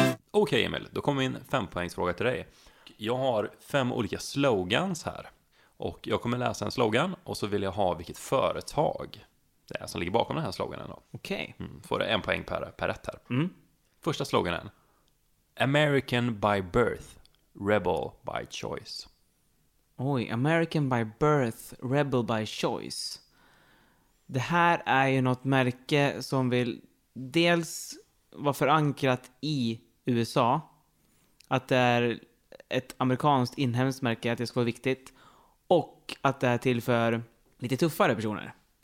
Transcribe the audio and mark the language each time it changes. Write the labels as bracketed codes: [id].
[sv] Okej, Emil, då kommer min 5-poängsfråga till dig. Jag har 5 olika slogans här. Och jag kommer läsa en slogan och så vill jag ha vilket företag det är som ligger bakom den här sloganen då. Okej. Får du 1 poäng per rätt här. Mm. Första sloganen. [en] American by birth, rebel by choice. Oj, American by birth, rebel by choice. [sv] Det här är ju något märke som vill dels vara förankrat i USA, att det är ett amerikanskt inhemskt märke, att det ska vara viktigt, och att det är till för lite tuffare personer.